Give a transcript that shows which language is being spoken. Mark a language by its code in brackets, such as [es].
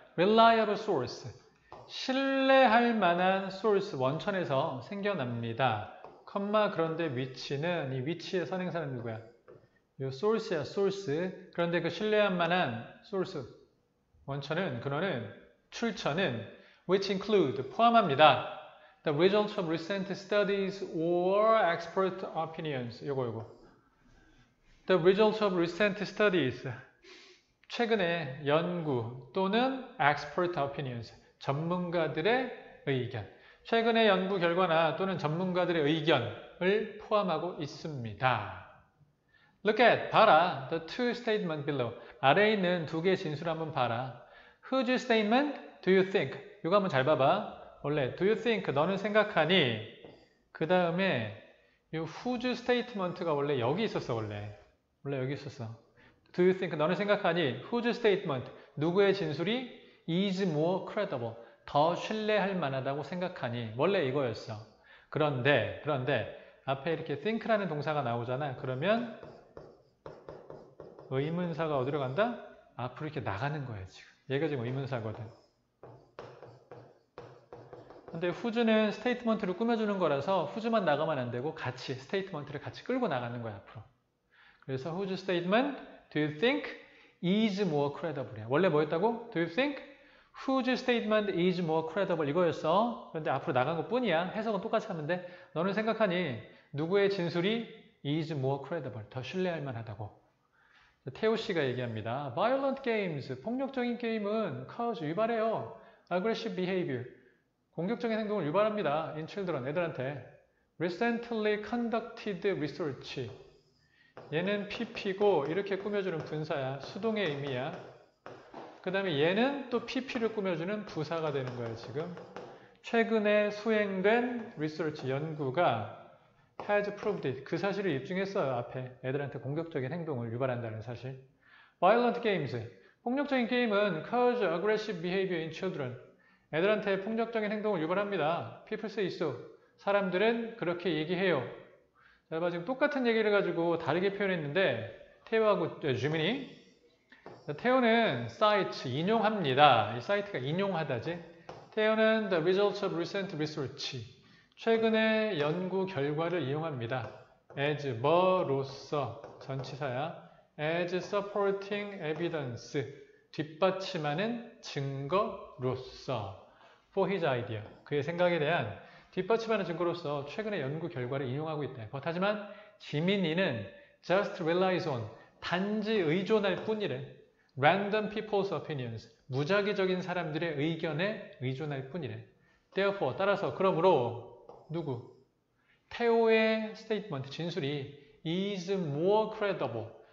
[en] reliable source, [ko] 신뢰할 만한 source, 원천에서 생겨납니다. 컴마, 그런데 위치는, 이 위치의 선행사는 누구야? 이 source야, source. 그런데 그 신뢰할 만한 source, 원천은, 근원은, 출처는, [en] which include, [ko] 포함합니다. [en] The results of recent studies or expert opinions. [ko] 요거. [en] The results of recent studies. [ko] 최근에 연구 또는 [en] expert opinions. [ko] 전문가들의 의견. 최근에 연구 결과나 또는 전문가들의 의견을 포함하고 있습니다. [en] Look at, [ko] 봐라. [en] The two statements below. [ko] 아래에 있는 두 개의 진술 한번 봐라. [en] Whose statement do you think? [ko] 이거 한번 잘 봐봐. 원래 [en] do you think [ko] 너는 생각하니 그 다음에 이 [en] whose statement [ko] 가 원래 여기 있었어 원래 여기 있었어 do you think 너는 생각하니 whose statement 누구의 진술이 [en] is more credible [ko] 더 신뢰할 만하다고 생각하니 원래 이거였어 그런데 앞에 이렇게 think라는 동사가 나오잖아 그러면 의문사가 어디로 간다? 앞으로 이렇게 나가는 거야 지금 얘가 지금 의문사거든 근데 후즈는 스테이트먼트를 꾸며주는 거라서 후즈만 나가면 안 되고 같이 스테이트먼트를 같이 끌고 나가는 거야 앞으로. [en] 그래서 후즈 스테이트먼트 do you think is more credible? [ko] 원래 뭐였다고? [en] do you think whose statement is more credible? [ko] 이거였어. 그런데 앞으로 나간 것뿐이야. 해석은 똑같이 하면 돼. 너는 생각하니 누구의 진술이 [en] is more credible? [ko] 더 신뢰할 만하다고. 태호 씨가 얘기합니다. [en] Violent games, [ko] 폭력적인 게임은 [en] cause [ko] 유발해요. [en] Aggressive behavior. [ko] 공격적인 행동을 유발합니다. [en] In children, [ko] 애들한테. [en] Recently conducted research. [ko] 얘는 PP고, 이렇게 꾸며주는 분사야. 수동의 의미야. 그 다음에 얘는 또 PP를 꾸며주는 부사가 되는 거야, 지금. 최근에 수행된 research, 연구가 [en] has proved it. [ko] 그 사실을 입증했어요, 앞에. 애들한테 공격적인 행동을 유발한다는 사실. [en] Violent games. [ko] 폭력적인 게임은 [en] cause aggressive behavior in children. [ko] 애들한테 폭력적인 행동을 유발합니다. [en] People say so. [ko] 사람들은 그렇게 얘기해요. 자, 지금 똑같은 얘기를 가지고 다르게 표현했는데, 태호하고 주민이. 태호는 사이트, 인용합니다. 이 사이트가 인용하다지. [en] 태호는 the results of recent research. [ko] 최근의 연구 결과를 이용합니다. As 뭐로서, 전치사야. [en] As supporting evidence. [ko] 뒷받침하는 증거로서. [en] For his idea. [ko] 그의 생각에 대한 뒷받침하는 증거로서 최근의 연구 결과를 인용하고 있다. 하지만 지민이는 [en] just relies on, [ko] 단지 의존할 뿐이래. [en] Random people's opinions. [ko] 무작위적인 사람들의 의견에 의존할 뿐이래. Therefore, 따라서, 그러므로, 누구? [en] 태오의 statement, [ko] 진술이 [en] is more credible.